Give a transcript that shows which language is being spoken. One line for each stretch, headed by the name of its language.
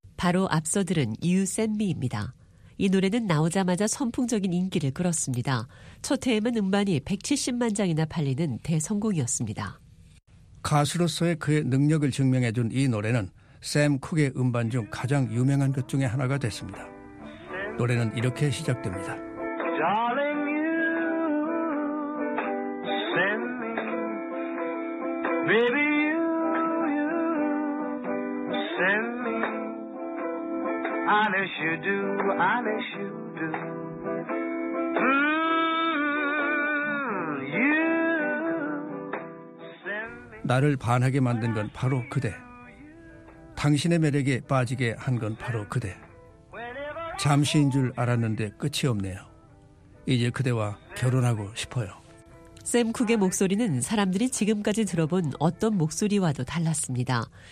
Korean: 바로 앞서 들은 You Send Me입니다. 이 노래는 나오자마자 선풍적인 인기를 끌었습니다. 첫 해에만 음반이 170만 장이나 팔리는 대성공이었습니다. 가수로서의 그의 능력을 증명해준 이 노래는 샘 쿡의 음반 중 가장 유명한 것 중에 하나가 됐습니다. 노래는 이렇게 시작됩니다.
English: Darling you send me Baby you, you send me Unless you do, unless you do, you send me.
Korean: 나를 반하게 만든 건 바로 그대. 당신의 매력에 빠지게 한 건 바로 그대. 잠시인 줄 알았는데 끝이 없네요. 이제 그대와 결혼하고 싶어요. 샘 쿡의 목소리는 사람들이 지금까지 들어본 어떤 목소리와도 달랐습니다.